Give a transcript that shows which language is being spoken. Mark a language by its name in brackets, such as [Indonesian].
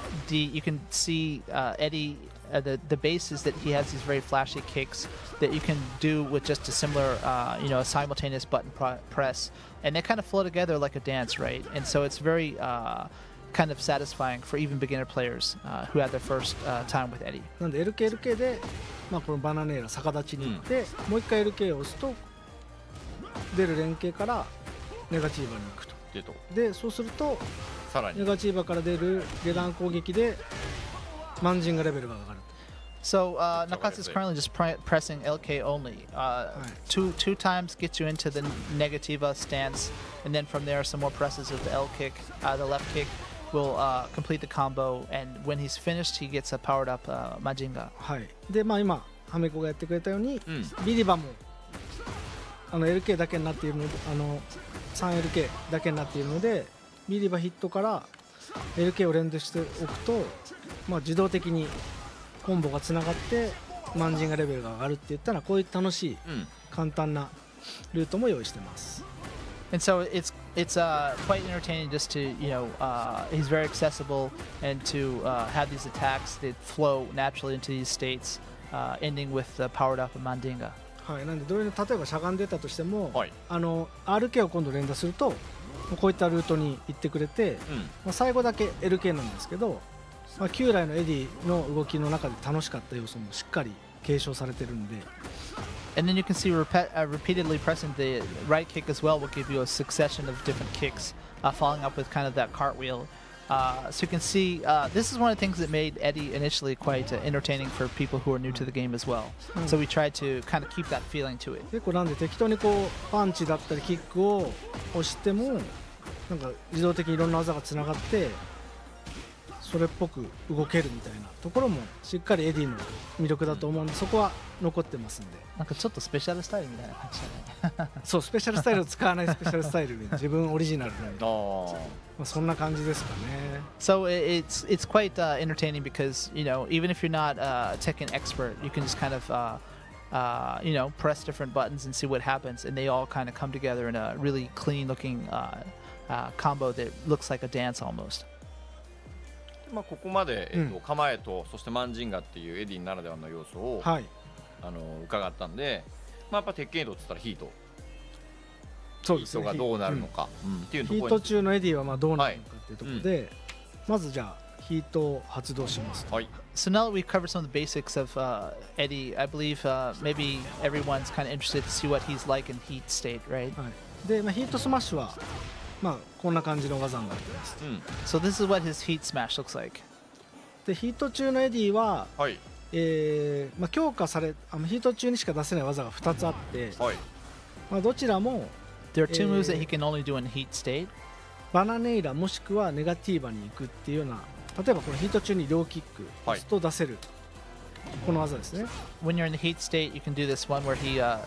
[English] you can see Eddie, the bass is that he has these very flashy kicks that you can do with just a similar, you know, a simultaneous button press. And they kind of flow together like a dance, right? And so it's very kind of satisfying for even beginner players who had their first time with Eddie. [Japanese] なんで LKLK で、まあ、このバナネーラ逆立ちに行って、うん、もう一回 LK を押すと出る連携からネガチーバに行くと。で、とでそうするとさらにネガチーバから出る下段攻撃でマンジンガレベルが上がる。 [English] So Nakatsu is currently just pressing LK only. Two times gets you into the negativa stance, and then from there some more presses of the L kick, the left kick will complete the combo. And when he's finished, he gets a powered up Majinga. [Japanese] はい。で、まあ今ハメコがやってくれたように、うん、ビリバもあの LK だけになっているので、あの 3LK だけになっているので、ビリバヒットから LK を連打しておくと、まあ自動的にコンボがつながってマンジンがレベルが上がるって言ったらこういう楽しい簡単なルートも用意してます。 [English] And so it's quite entertaining just to, you know, he's very accessible and to have these attacks that flow naturally into these states, ending with the powered up Mandinga. [Japanese] はい、なんでどういう例えばしゃがんでたとしても、はい、あの RK を今度連打するとこういったルートに行ってくれて、うん、まあ、最後だけ LK なんですけど。まあ、旧来のエディの動きの中で楽しかった要素もしっかり継承されてるんで。 [English] And then you can see repeatedly pressing the right kick as well will give you a succession of different kicks, following up with kind of that cartwheel. So you can see, this is one of the things that made Eddie initially quite entertaining for people who are new to the game as well. So we tried to kind of keep that feeling to it. [Japanese] 結構なんで適当にこうパンチだったりキックを押してもなんか自動的にいろんな技がつながって。それっぽく動けるみたいなところもしっかりエディの魅力だと思うんで、そこは残ってますんで。なんかちょっとスペシャルスタイルみたいな感じじゃない？そう、スペシャルスタイルを使わないスペシャルスタイルで自分オリジナルなんで。そんな感じですかね。 [English] So it's quite entertaining because, you know, even if you're not a Tekken expert, you can just kind of you know, press different buttons and see what happens, and they all kind of come together in a really clean looking combo that looks like a dance almost. [Japanese] まあ、ここまで、構えとそしてマンジンガっていうエディならではの要素を、はい、あの伺ったんで、まあ、やっぱ鉄拳エドっつったらヒート、そうですね、ヒートがどうなるのか、うんうん、っていうところ、ヒート中のエディはまあどうなるのかっていうところで、はい、まずじゃあヒートを発動します、はい、 [English] So now that we've covered some of the basics of Eddie, I believe maybe everyone's kind of interested to see what he's like in heat state, right?、 [Japanese] はい、で、まあ、ヒートスマッシュはまあ、こんな感じの技になってます。うん、 [English] so this is what his heat smash looks like. [Japanese] でヒート中のエディは、はい、まあ、強化され、あのヒート中にしか出せない技が2つあって、はい、まあ、どちらも [English] There are two moves that he can only do in heat state. [Japanese] バナネイラもしくはネガティーバに行くっていうような、例えばこのヒート中に両キックですと出せる、はい、この技ですね。 [English] When you're in the heat state, you can do this one where he